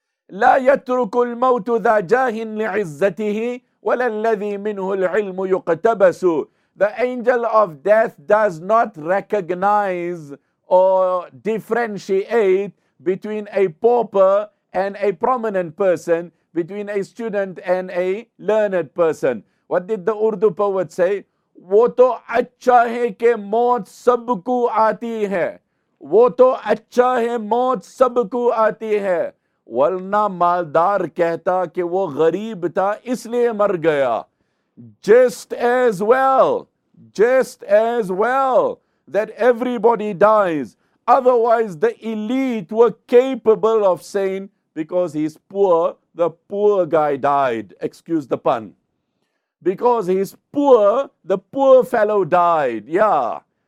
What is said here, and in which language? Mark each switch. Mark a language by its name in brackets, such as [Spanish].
[Arabic] لا يترك الموت ذا جاه لعزته ولا الذي منه العلم يقتبس. [English] The angel of death does not recognize or differentiate between a pauper and a prominent person, between a student and a learned person. What did the Urdu poet say? [Urdu] وہ تو اچھا ہے کہ موت سب کو آتی ہے. وہ تو اچھا ہے موت سب کو آتی ہے. ورنہ مالدار کہتا کہ وہ غریب تھا اس لیے مر گیا. [English] Just as well, just as well that everybody dies. Otherwise, the elite were capable of saying, because he's poor, the poor guy died. Excuse the pun. Because he's poor, the poor fellow died. Yeah.